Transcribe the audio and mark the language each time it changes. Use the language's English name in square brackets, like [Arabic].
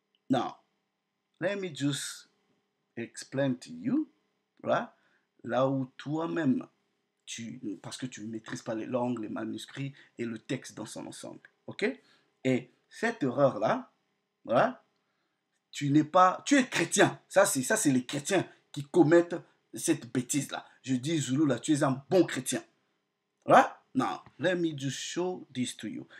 [English] Now, let me just explain to you, right? [French] Là où toi-même, parce que tu ne maîtrises pas les langues, les manuscrits et le texte dans son ensemble. Ok? Et cette erreur-là, voilà. Tu n'es pas, tu es chrétien. Ça c'est les chrétiens qui commettent cette bêtise-là. Je dis Zulu là, tu es un bon chrétien. Voilà. [English] Non, let me just show this to you.